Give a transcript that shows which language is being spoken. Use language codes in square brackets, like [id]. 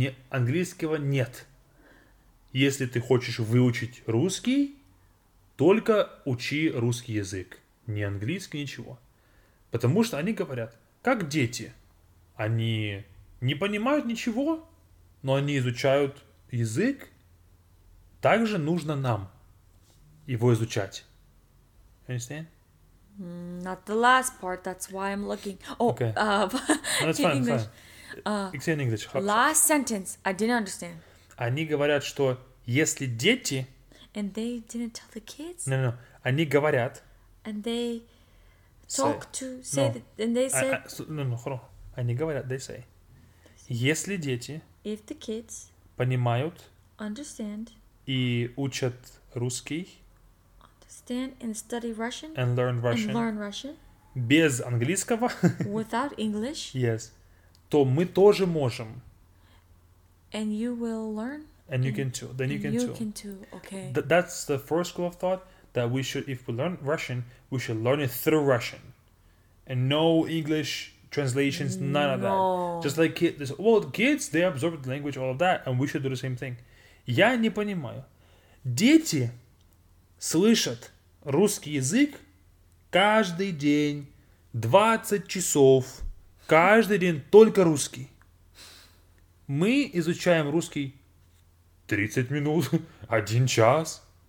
[ru] Английского нет. Если ты хочешь выучить русский, только учи русский язык. Не английский, ничего. Потому что они говорят, как дети. Они... не понимают ничего, но они изучают язык. Также нужно нам его изучать. [en] You understand? Not the last part, that's why I'm looking. It's in English. Last sentence, I didn't understand. [ru] Они говорят, что если дети... [en] And they didn't tell the kids? [ru] No. Они говорят... [en] And they talk say. To... Say no. that, and they say... [ru] Они говорят, [en] they say... [ru] Если дети [en] If the kids [ru] понимают [en] understand, [ru] и учат русский [en] understand and study Russian, and learn Russian, and learn Russian [ru] без английского [en] without English, [ru] yes, то мы тоже можем. [en] And you will learn. And you can too. Then you can too. You can too, okay. That's the first school of thought, that we should, if we learn Russian, we should learn it through Russian. And no English... translations, none of no. that. Just like kids. Well, kids, they absorb the language, all of that, and we should do the same thing. [ru] Я не понимаю. Дети слышат русский язык каждый день, 20 часов, каждый день только русский. Мы изучаем русский 30 минут, 1 час.